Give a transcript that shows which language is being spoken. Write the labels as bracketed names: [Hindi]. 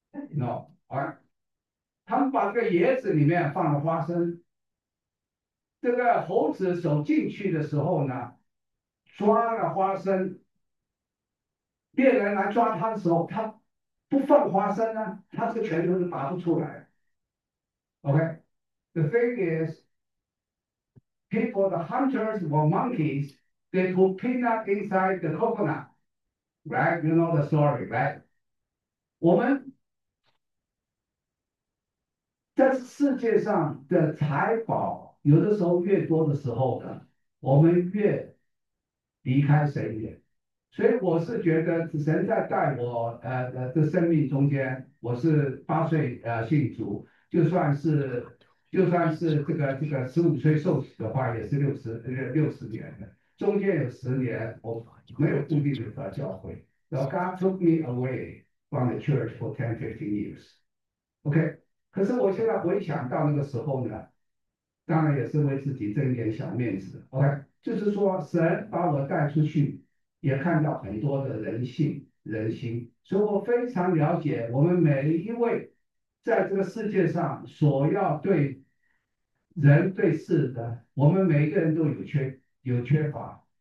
[Chinese] No，啊，他们把这个椰子里面放了花生，这个猴子走进去的时候呢，抓了花生，猎人来抓他的时候，他不放花生呢，他这个拳头是拔不出来。 [English] OK，the thing is, people, the hunters were monkeys. They put peanut inside the coconut, right? You know the story, right? [Chinese] 我们。在世界上的财宝，有的时候越多的时候呢，我们越离开神远。所以我是觉得，神在带我的生命中间，我是8岁信主，就算是这个15岁受洗的话，也是60年的，中间有10年我没有固定的教会。然后 [English] God took me away from the church for 10-15 years. OK。 [Chinese] 可是我现在回想到那个时候呢，当然也是为自己争点小面子。 OK，就是说神把我带出去，也看到很多的人性、人心，所以我非常了解我们每一位在这个世界上所要对人对事的，我们每一个人都有缺乏。